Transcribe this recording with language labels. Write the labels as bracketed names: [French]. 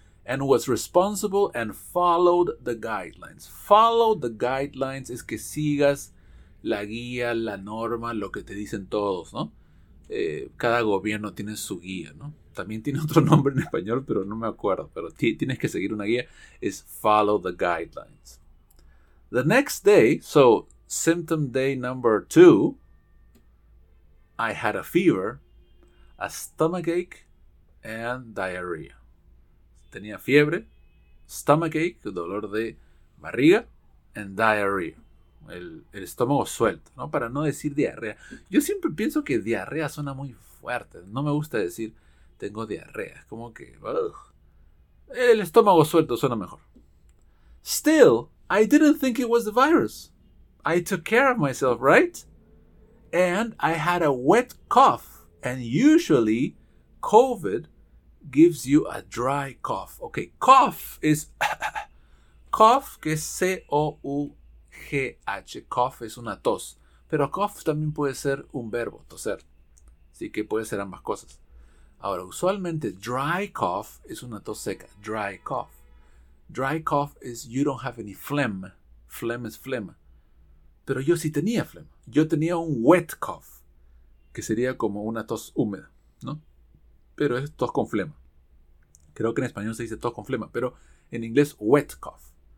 [English] And was responsible and followed the guidelines. [Spanish] Follow the guidelines es que sigas la guía, la norma, lo que te dicen todos, ¿no? Cada gobierno tiene su guía, ¿no? También tiene otro nombre en español, pero no me acuerdo. Pero tienes que seguir una guía. [English] Es follow the guidelines. The next day, so symptom day number two, I had a fever, a stomachache, and diarrhea. [Spanish] Tenía fiebre, stomachache, dolor de barriga, and diarrhea. El estómago suelto, ¿no? Para no decir diarrea. Yo siempre pienso que diarrea suena muy fuerte. No me gusta decir tengo diarrea. Es como que, ugh. El estómago suelto suena mejor. [English] Still, I didn't think it was the virus. I took care of myself, right? And I had a wet cough. And usually, COVID gives you a dry cough. Okay, cough is cough, que es C-O-U-G-H. [Spanish] Cough es una tos. Pero cough también puede ser un verbo, toser. Así que puede ser ambas cosas. Ahora, usualmente dry cough es una tos seca. Dry cough. [English] Dry cough is you don't have any phlegm. [Spanish] Phlegm es flema. Pero yo sí tenía flema. Yo tenía un wet cough, que sería como una tos húmeda, ¿no? Pero es tos con flema. Creo que en español se dice tos con flema, pero en inglés wet cough.